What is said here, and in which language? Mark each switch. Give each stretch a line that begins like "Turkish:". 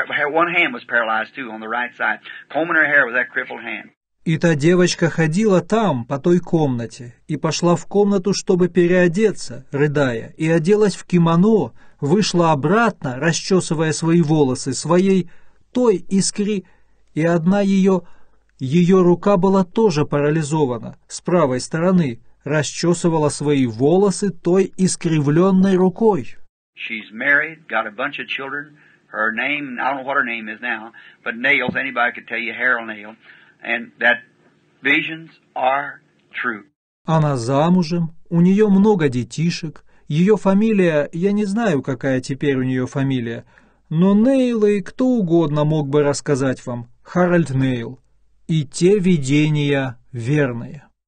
English: One hand was paralyzed too on the right side, combing her hair with that crippled hand.
Russian: И та девочка ходила там, по той комнате, и пошла в комнату, чтобы переодеться, рыдая, и оделась в кимоно, вышла обратно, расчесывая свои волосы, своей той искре, и одна ее рука была тоже парализована, с правой стороны, расчесывала свои волосы той искривленной рукой.
English: She's married, got a bunch of children. Her name, I don't know what her name is now, but nails, anybody could tell you, hair on nail, and that visions are true.
Russian: Она замужем, у нее много детишек, ее фамилия, я не знаю, какая теперь у нее фамилия, но Нейл и кто угодно мог бы рассказать вам, Харальд Нейл, и те видения верные.